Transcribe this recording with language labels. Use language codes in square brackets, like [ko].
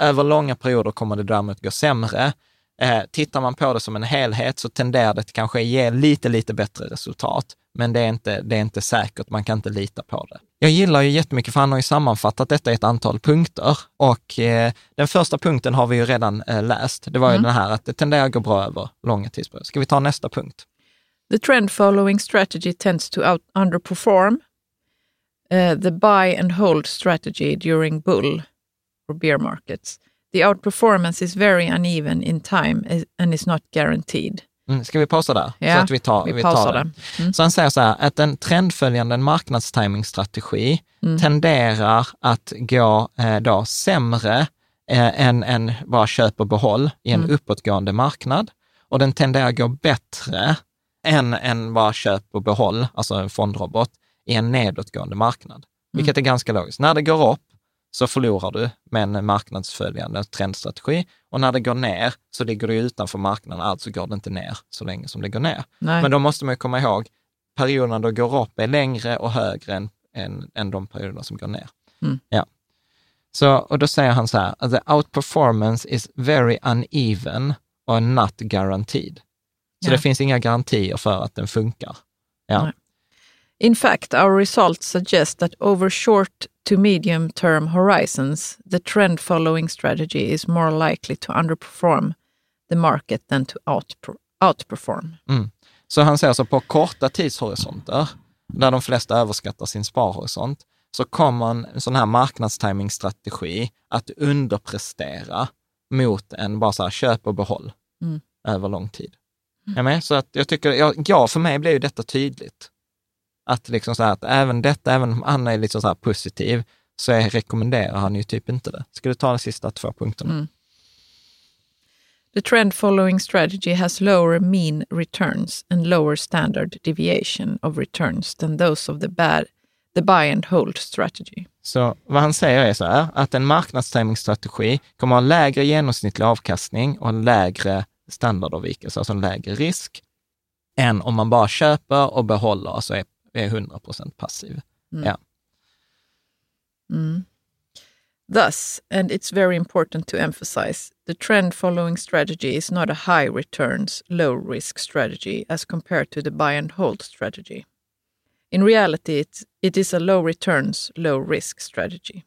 [sv] Över långa perioder kommer det däremot gå sämre. Tittar man på det som en helhet så tenderar det kanske ge lite bättre resultat, men det är inte säkert, man kan inte lita på det. Jag gillar ju jättemycket, för han har ju sammanfattat detta i ett antal punkter, och den första punkten har vi ju redan läst, det var ju den här att det tenderar att gå bra över långa tidsperioder. Ska vi ta nästa punkt? [en] The trend following strategy tends to underperform the buy and hold strategy during bull or bear markets. The outperformance is very uneven in time and is not guaranteed. [sv] Mm, ska vi pausa där? Ja, så att vi tar det. Mm. Så han säger så här, att en trendföljande marknadstimingstrategi tenderar att gå sämre en bara köp och behåll i en uppåtgående marknad. Och den tenderar att gå bättre än en bara köp och behåll, alltså en fondrobot, i en nedåtgående marknad. Mm. Vilket är ganska logiskt. När det går upp så förlorar du med en marknadsföljande trendstrategi. Och när det går ner så ligger du utanför marknaden, alltså går det inte ner så länge som det går ner. Nej. Men då måste man ju komma ihåg, perioderna då går upp är längre och högre än de perioderna som går ner. Mm. Ja. Så, och då säger han så här, [en] the outperformance is very uneven [sv] och [en] not guaranteed. [sv] Så ja. Det finns inga garantier för att den funkar. Ja. [en] In fact, our results suggest that over short to medium term horizons, the trend following strategy is more likely to underperform the market than to outperform. [sv] Mm. Så han säger så, på korta tidshorisonter, där de flesta överskattar sin sparhorisont, så kommer en sån här marknadstiming-strategi att underprestera mot en bara så här köp och behåll över lång tid. Mm. Så att jag tycker, ja, för mig blir ju detta tydligt. Att liksom så här, att även detta, även om Anna är liksom så här positiv, så jag rekommenderar han ju typ inte det. Ska du ta de sista två punkterna? Mm. [en] The trend following strategy has lower mean returns and lower standard deviation of returns than those of the buy and hold strategy. [sv] Så vad han säger är så här, att en marknadstiming-strategi kommer att ha lägre genomsnittlig avkastning och lägre standardavvikelse, alltså en lägre risk, än om man bara köper och behåller och så är 100% passiv. Mm. Ja. Mm. [en] Thus, and it's very important to emphasize, the trend following strategy is not a high returns, low risk strategy as compared to the buy and hold strategy. In reality, it is a low returns, low risk strategy.